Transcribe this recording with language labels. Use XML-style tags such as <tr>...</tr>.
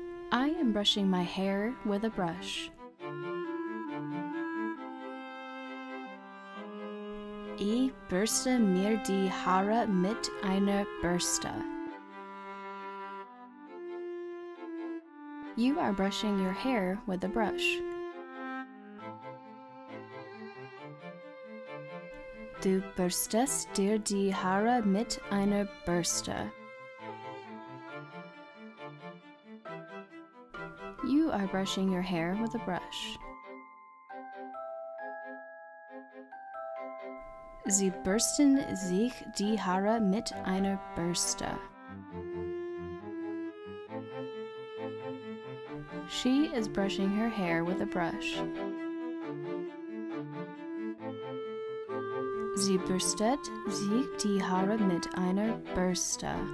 <en>I am brushing my hair with a brush.</en> <de>Ich bürste mir die Haare mit einer Bürste.</de> <en>You are brushing your hair with a brush.</en> <de>Du bürstest dir die Haare mit einer Bürste.</de> <en>You are brushing your hair with a brush.</en> <de>Sie bürsten sich die Haare mit einer Bürste.</de> <en>She is brushing her hair with a brush.</en> <de>Sie bürstet sich die Haare mit einer Bürste.</de>